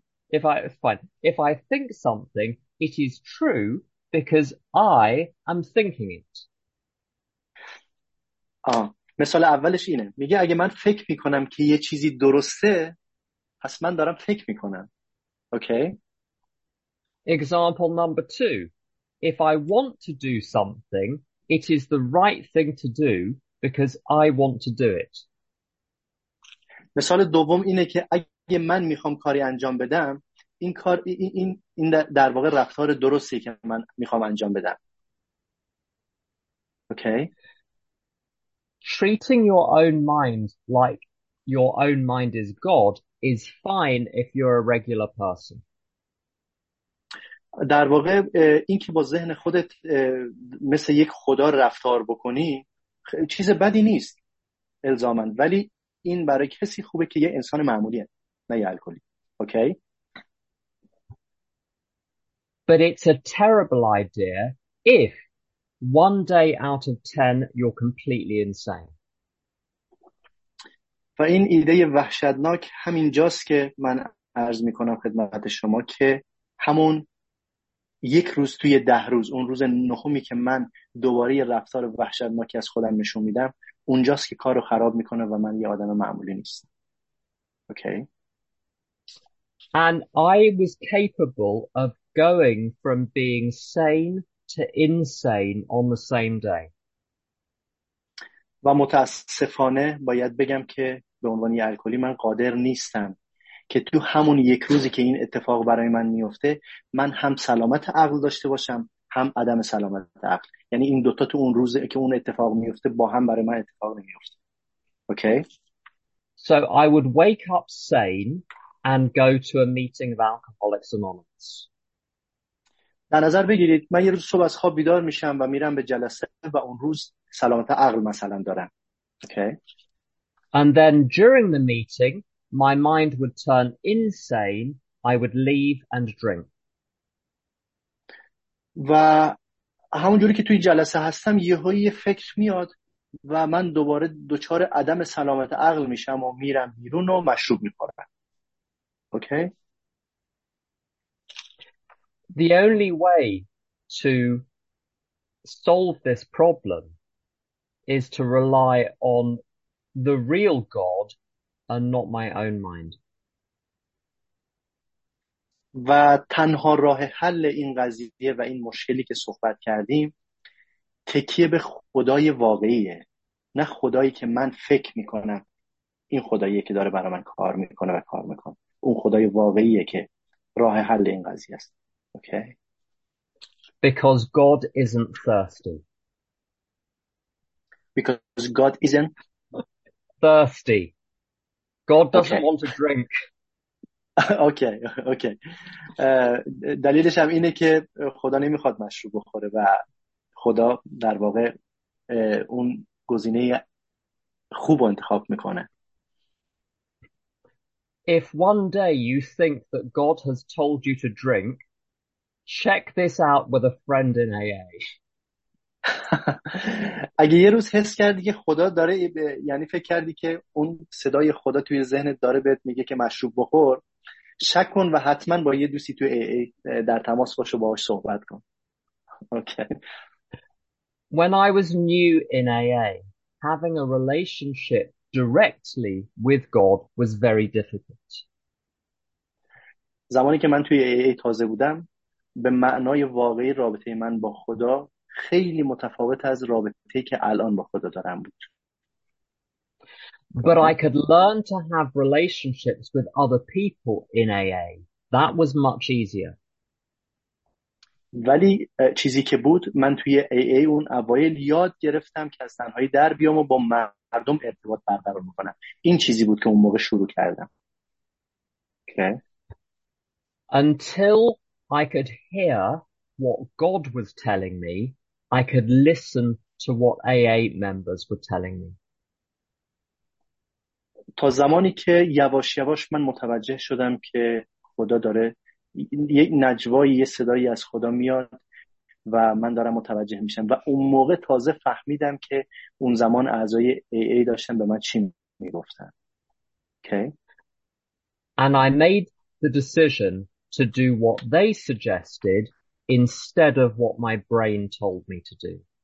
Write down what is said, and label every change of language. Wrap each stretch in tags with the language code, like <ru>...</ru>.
<en>If I think something, it is true because I am thinking it. آه.</en> <fa>مثال اولش اینه، میگه اگه من فکر میکنم که یه چیزی درسته، پس من دارم فکر میکنم. اوکی؟</fa> <en>Example number two. If I want to do something, it is the right thing to do because I want to do it.</en> <fa>مثال دوم اینه که اگه من میخوام کاری انجام بدم، این کار این در واقع رفتار درستی که من میخوام انجام بدم. اوکی؟</fa> <en>Treating your own mind like your own mind is God is fine if you're a regular person.</en> <fa>در واقع این که با ذهن خودت مثل یک خدا رفتار بکنی چیز بدی نیست الزاماً، ولی این برای کسی خوبه که یه انسان معمولی هست نه یه الکلی. اوکی؟</fa> <en>But it's a terrible idea if one day out of ten you're completely insane.</en> <fa>و این ایده وحشتناک همین جاست که من عرض می کنم خدمت شما که همون یک روز توی 10 روز، اون روز نهمی که من دوباره رفتار وحشتناکی از خودم نشون میدم، اونجاست که کارو خراب میکنه و من یه آدم معمولی نیستم. اوکی؟</fa> <en>And I was capable of going from being sane to insane on the same day.</en> <fa>و متاسفانه باید بگم که به عنوان یه الکلی من قادر نیستم که تو همون یک روزی که این اتفاق برای من میفته، من هم سلامت عقل داشته باشم هم عدم سلامت عقل. یعنی این دوتا تو اون روز که اون اتفاق میفته با هم برای من اتفاق نمیفته. اوکی؟</fa> <en>So I would wake up sane and go to a meeting of Alcoholics Anonymous.</en> <fa>در نظر بگیرید من یه روز صبح از خواب بیدار میشم و میرم به جلسه و اون روز سلامت عقل مثلا دارم. اوکی؟</fa> <en>And then during the meeting my mind would turn insane, I would leave and drink.</en> <fa>و همونجوری که توی جلسه هستم یهویی فکر میاد و من دوباره دچار عدم سلامت عقل میشم و میرم بیرون و مشروب میخورم. اوکی؟</fa> <en>The only way to solve this problem is to rely on the real God and not my own mind.</en> <fa>و تنها راه حل این قضیه و این مشکلی که صحبت کردیم تکیه به خدای واقعیه، نه خدایی که من فکر میکنم این خداییه که داره برای من کار میکنه و کار میکنه. اون خدای واقعیه که راه حل این قضیه است. اوکی؟</fa> <en>Because God isn't thirsty. Because God isn't thirsty. God doesn't want to drink.</en> <fa>اوکی. دلیلش هم اینه که خدا نمیخواد مشروب بخوره و خدا در واقع اون گزینه خوب رو انتخاب میکنه.</fa> <en>If one day you think that God has told you to drink, check this out with a friend in AA.</en> <fa>اگه یه روز حس کردی که خدا داره یعنی فکر کردی که اون صدای خدا توی ذهنت داره بهت میگه که مشروب بخور، شک کن و حتما با یه دوستی تو AA در تماس باش و باهاش صحبت کن. اوکی.</fa> <en>When I was new in AA, having a relationship directly with God was very difficult.</en> <fa>زمانی که من توی AA تازه بودم، به معنای واقعی رابطه من با خدا خیلی متفاوت از رابطه‌ای که الان با خدا دارم بود.</fa> <en>But I could learn to have relationships with other people in AA. That was much easier.</en> <fa>ولی چیزی که بود، من توی AA اون اوایل یاد گرفتم که از تنهایی در بیام و با مردم ارتباط برقرار بکنم. این چیزی بود که اون موقع شروع کردم.</fa> <en>Okay. Until I could hear what God was telling me, I could listen to what AA members were telling me.</en> <fa>تا زمانی که یواش یواش من متوجه شدم که خدا داره یک نجوایی یه صدایی از خدا میاد و من دارم متوجه میشم، و اون موقع تازه فهمیدم که اون زمان اعضای AA داشتن به من چی میگفتن.</fa> <en>Okay. And I made the decision to do what they suggested instead of what my brain told me to do.</en>